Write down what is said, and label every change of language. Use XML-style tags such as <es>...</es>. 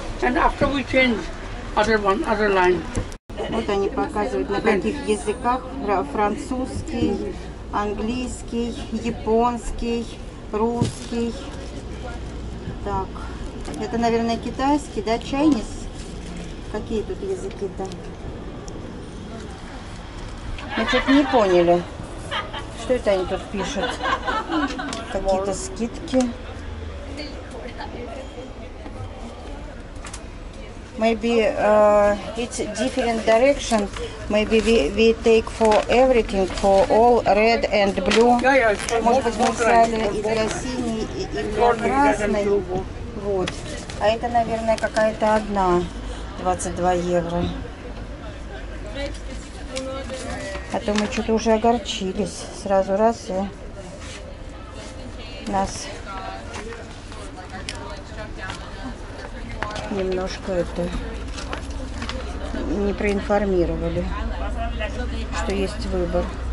<en>And after we change other line.</en> <ru>Вот они показывают, на каких языках: французский, английский, японский, русский. Так, это, наверное, китайский, да, чайнис? Какие тут языки-то? Мы что-то не поняли, что это они тут пишут. Какие-то скидки.</ru> <en>Maybe it's different direction. Maybe we take for everything, for all red and blue.</en> <ru>Может быть, мы взяли и для синий, и для красный. Вот. А это, наверное, какая-то одна. 22 евро. А то мы что-то уже огорчились. Сразу раз и нас немножко это не проинформировали, что есть выбор.</ru>